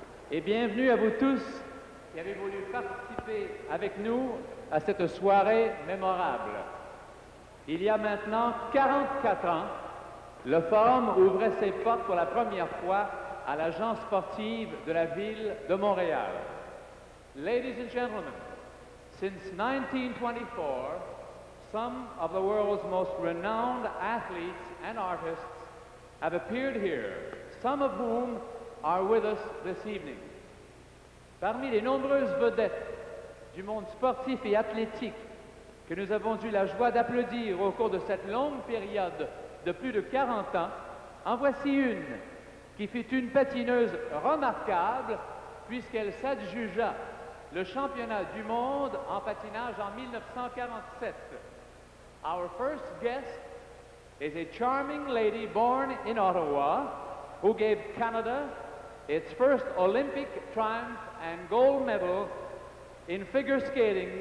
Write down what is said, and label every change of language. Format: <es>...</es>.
<fr>Et bienvenue à vous tous qui avez voulu participer avec nous à cette soirée mémorable. Il y a maintenant 44 ans, le Forum ouvrait ses portes pour la première fois à l'agence sportive de la ville de Montréal.</fr> <en>Ladies and gentlemen, since 1924, some of the world's most renowned athletes and artists have appeared here, some of whom are with us this evening.</en> <fr>Parmi les nombreuses vedettes du monde sportif et athlétique que nous avons eu la joie d'applaudir au cours de cette longue période de plus de 40 ans, en voici une qui fut une patineuse remarquable puisqu'elle s'adjugea le championnat du monde en patinage en 1947.</fr> <en>Our first guest is a charming lady born in Ottawa who gave Canada its first Olympic triumph and gold medal in figure skating.</en>